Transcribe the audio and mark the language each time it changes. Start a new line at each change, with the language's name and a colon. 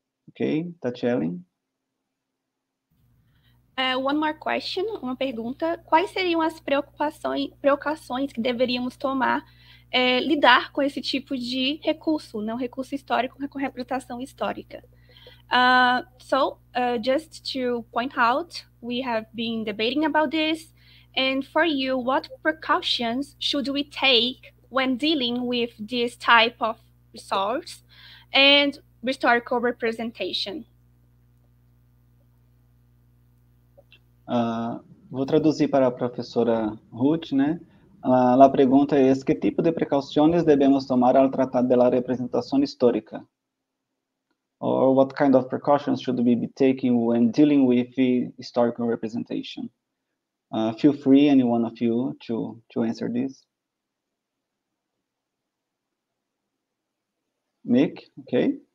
English: Okay, Tatiele. One more question,
Portuguese: uma pergunta. Quais seriam as preocupações que deveríamos tomar lidar com esse tipo de recurso, não recurso histórico, com representação histórica?
English: So, just to point out, we have been debating about this, and for you, what precautions should we take when dealing with this type of resource and historical representation?
Portuguese: Vou traduzir para a professora Ruth, né? A pergunta é: que tipo de precauções devemos tomar ao tratar da representação histórica?
English: Or what kind of precautions should we be taking when dealing with the historical representation? Feel free, any one of you, to answer this. Nick, okay.